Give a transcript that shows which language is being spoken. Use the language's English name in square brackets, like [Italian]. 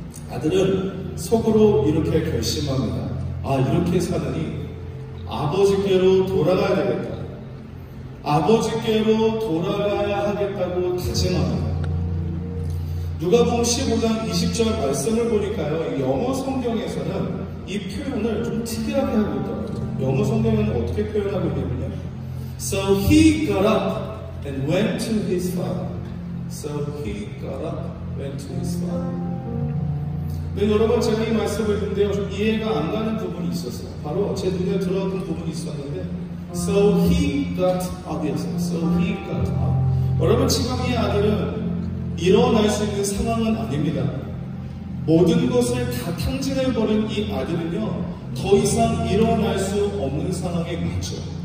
[Korean] 아들은 속으로 이렇게 결심합니다. 아, 이렇게 사느니 아버지께로 돌아가야 되겠다. 아버지께로 돌아가야 하겠다고 다짐합니다. 누가복음 15장 20절 말씀을 보니까요, 영어 성경에서는 이 표현을 좀 특이하게 하고 있더라고요. 영어 성경에는 어떻게 표현하고 있냐면요, [English] So he got up and went to his father. So he got up and went to his father. [Korean] 네, 여러분, 제가 이 말씀을 듣는데요, 좀 이해가 안 가는 부분이 있었어요. 바로 제 눈에 들어왔던 부분이 있었는데, [English] So he got up. So he got up. [Korean] 여러분, 지금 이 아들은 일어날 수 있는 상황은 아닙니다. 모든 것을 다 탕진해버린 이 아들은요, 더 이상 일어날 수 없는 상황에 맞죠.